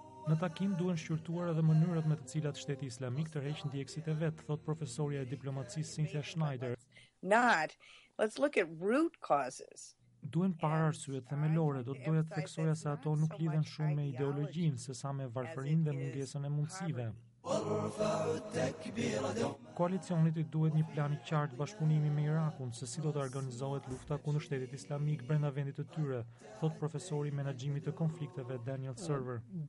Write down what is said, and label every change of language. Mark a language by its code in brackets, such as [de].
[sq] Në takim duhen shqyrtuar edhe mënyrat me të cilat Shteti Islamik tërheq ndjekësit e vet, thot profesorja e diplomacisë Cynthia Schneider. [en] Let's look at root causes. [sq] Duhen para arsyet themelore, do të doja të theksoja se ato nuk lidhen shumë me ideologjinë, sesa me varfërinë dhe mungesën e mundësive. Koalicionit i duhet një plan i qartë bashkëpunimi me Irakun se si do të organizohet lufta kundër Shtetit Islamik brenda vendit të tyre, thot profesori i menaxhimit të konflikteve Daniel Server.